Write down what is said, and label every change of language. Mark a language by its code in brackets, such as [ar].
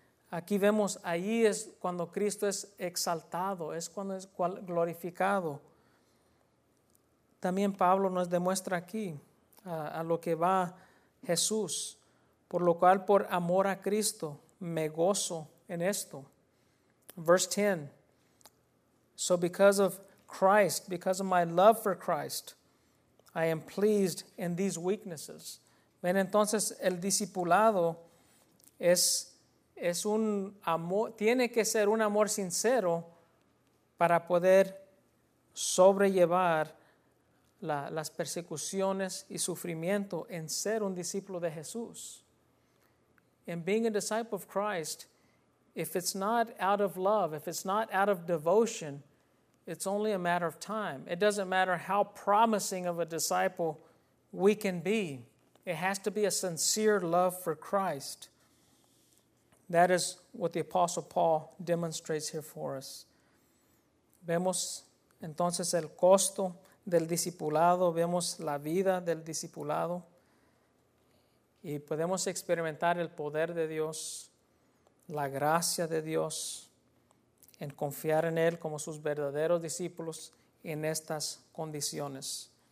[es] Aquí vemos, ahí es cuando Cristo es exaltado, es cuando es glorificado. También Pablo nos demuestra aquí a lo que va Jesús. Por lo cual, por amor a Cristo, me gozo en esto. [en] Verse 10. So because of Christ, because of my love for Christ, I am pleased in these weaknesses. [es] Ven, entonces el discipulado es un amor, tiene que ser un amor sincero para poder sobrellevar las persecuciones y sufrimiento en ser un discípulo de Jesús. [en] In being a disciple of Christ, if it's not out of love, if it's not out of devotion, it's only a matter of time. It doesn't matter how promising of a disciple we can be. It has to be a sincere love for Christ. That is what the Apostle Paul demonstrates here for us. [es] Vemos entonces el costo del discipulado, vemos la vida del discipulado. Y podemos experimentar el poder de Dios, la gracia de Dios, en confiar en Él como sus verdaderos discípulos en estas condiciones.